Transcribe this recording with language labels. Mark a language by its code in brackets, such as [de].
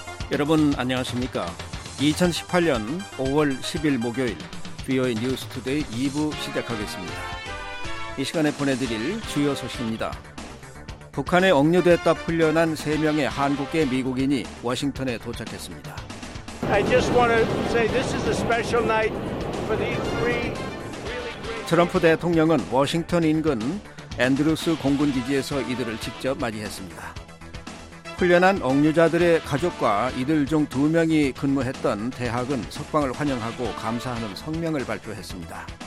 [ko] 여러분 안녕하십니까? 2018년 5월 10일 목요일 VOA News Today 2부 시작하겠습니다. 이 시간에 보내드릴 주요 소식입니다. 북한에 억류됐다 풀려난 3명의 한국계 미국인이 워싱턴에 도착했습니다. [en] I just want to say this is a special night for these three. [ko] 트럼프 대통령은 워싱턴 인근 앤드루스 공군기지에서 이들을 직접 맞이했습니다. 훈련한 억류자들의 가족과 이들 중 두 명이 근무했던 대학은 석방을 환영하고 감사하는 성명을 발표했습니다.